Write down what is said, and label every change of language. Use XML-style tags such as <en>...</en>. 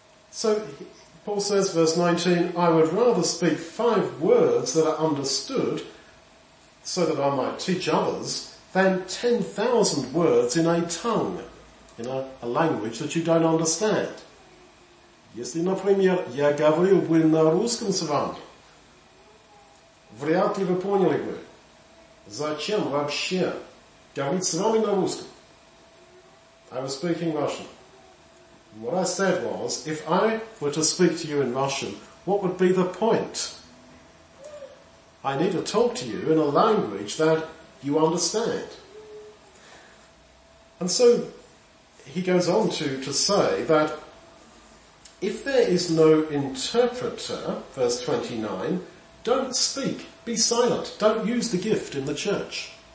<en>So Paul says, verse 19, I would rather speak five words that are understood so that I might teach others than 10,000 words in a tongue, in a language that you don't understand.</en> <ru>Если, например, я говорил бы на русском с вами, вряд ли вы поняли бы, зачем вообще говорить с вами на русском.</ru> <en>I was speaking Russian. What I said was, if I were to speak to you in Russian, what would be the point? I need to talk to you in a language that you understand. And so he goes on to say that if there is no interpreter, verse 29, don't speak, be silent, don't use the gift in the church.</en>